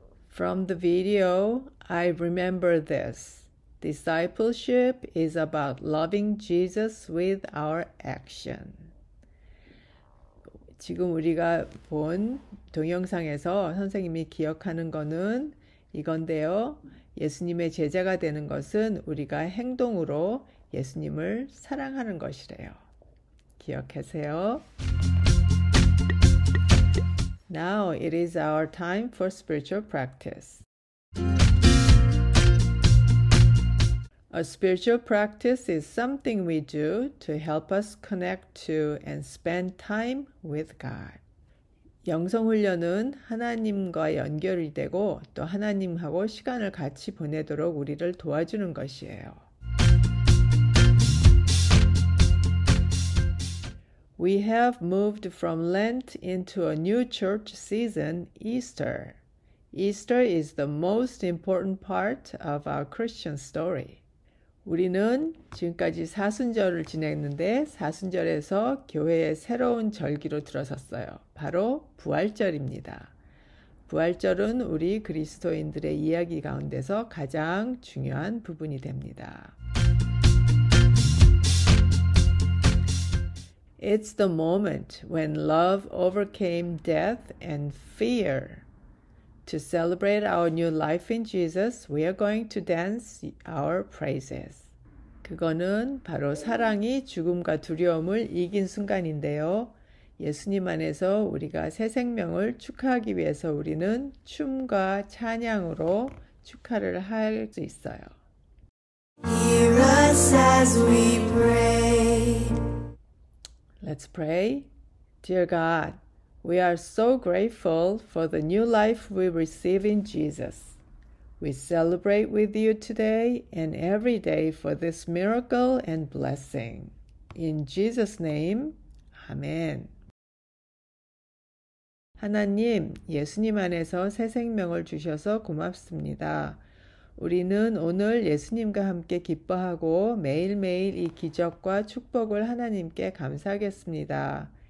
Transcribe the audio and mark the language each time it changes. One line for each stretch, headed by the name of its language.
English: From the video, I remember this. Discipleship is about loving Jesus with our action.
Korean: 지금 우리가 본 동영상에서 선생님이 기억하는 거는 이건데요. 예수님의 제자가 되는 것은 우리가 행동으로 예수님을 사랑하는 것이래요. 기억하세요.
English: Now it is our time for spiritual practice. A spiritual practice is something we do to help us connect to and spend time with God.
Korean: 영성훈련은 하나님과 연결이 되고 또 하나님하고 시간을 같이 보내도록 우리를 도와주는 것이에요.
English: We have moved from Lent into a new church season, Easter. Easter is the most important part of our Christian story.
Korean: 우리는 지금까지 사순절을 지냈는데 사순절에서 교회의 새로운 절기로 들어섰어요. 바로 부활절입니다. 부활절은 우리 그리스도인들의 이야기 가운데서 가장 중요한 부분이 됩니다.
English: It's the moment when love overcame death and fear. To celebrate our new life in Jesus, we are going to dance our praises.
Korean: 그거는 바로 사랑이 죽음과 두려움을 이긴 순간인데요. 예수님 안에서 우리가 새 생명을 축하하기 위해서 우리는 춤과 찬양으로 축하를 할 수 있어요.
English: Hear us as we pray. Let's pray. Dear God, we are so grateful for the new life we receive in Jesus. We celebrate with you today and every day for this miracle and blessing. In Jesus' name, Amen.
Korean: 하나님, 예수님 안에서 새 생명을 주셔서 고맙습니다. 우리는 오늘 예수님과 함께 기뻐하고 매일매일 이 기적과 축복을 하나님께 감사하겠습니다.